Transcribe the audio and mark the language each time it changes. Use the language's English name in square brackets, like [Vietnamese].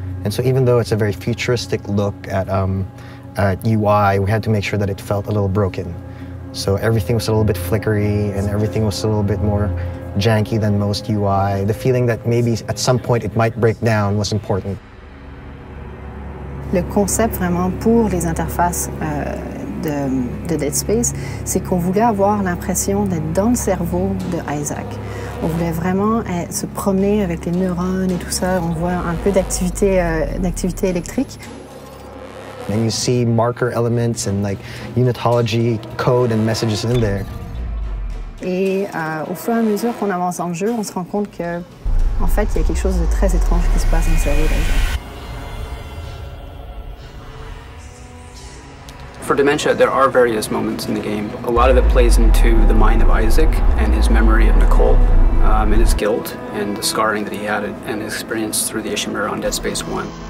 [English] And so even though it's a very futuristic look at UI, we had to make sure that it felt a little broken. So everything was a little bit flickery and everything was a little bit more janky than most UI. The feeling that maybe at some point it might break down was important. [French] Le concept vraiment pour les interfaces de Dead Space, c'est qu'on voulait avoir l'impression d'être dans le cerveau de Isaac. On voulait vraiment se promener avec les neurones et tout ça. On voit un peu d'activité électrique. [English] And you see marker elements and like unitology code and messages in there. [French] Et au fur et à mesure qu'on avance dans le jeu, on se rend compte que, en fait, il y a quelque chose de très étrange qui se passe dans le cerveau d'Isaac. [English] For dementia, there are various moments in the game. A lot of it plays into the mind of Isaac and his memory of Nicole and his guilt and the scarring that he had and experienced through the Ishimura on Dead Space 1.